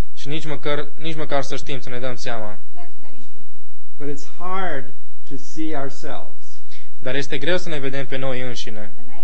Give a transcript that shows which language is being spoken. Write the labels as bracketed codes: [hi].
[ro] Și nici măcar să știm, să ne dăm seama. [en] But it's hard to see ourselves. [ro] Dar este greu să ne vedem pe noi înșine.